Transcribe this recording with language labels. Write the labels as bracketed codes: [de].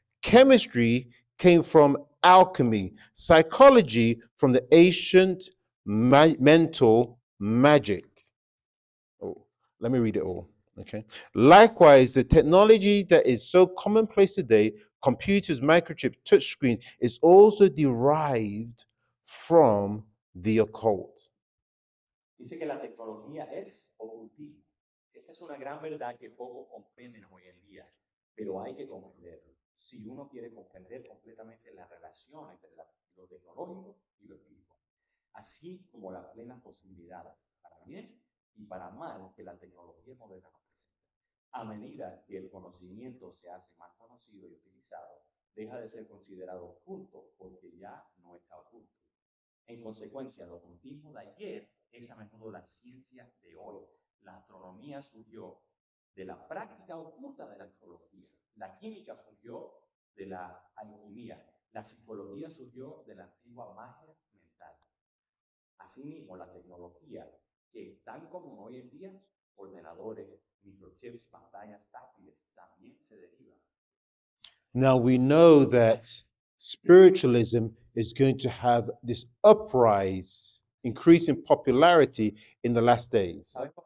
[en] Chemistry came from alchemy. Psychology from the ancient mental magic. Oh, let me read it all. Okay. Likewise, the technology that is so commonplace today, computers, microchips, touchscreens, is also derived from the occult. [es] Dice que la tecnología es ocultismo. Esta es una gran verdad que pocos comprenden hoy en día, pero hay que comprenderlo si uno quiere comprender completamente la relación entre lo tecnológico y lo espiritual, así como las plenas posibilidades para bien y para mal que la tecnología moderna nos presenta. A medida que el conocimiento se hace más conocido y utilizado, deja de ser considerado oculto porque ya no está oculto. En consecuencia, el ocultismo de ayer es a menudo la ciencia de hoy. La astronomía surgió de la práctica oculta de la astrología. La química surgió de la alquimia. La psicología surgió de la antigua magia mental. Asimismo, la tecnología, que tan común hoy en día, ordenadores, microchips, pantallas táctiles, también se deriva. [en] Now we know that spiritualism is going to have this uprise, increase in popularity in the last days.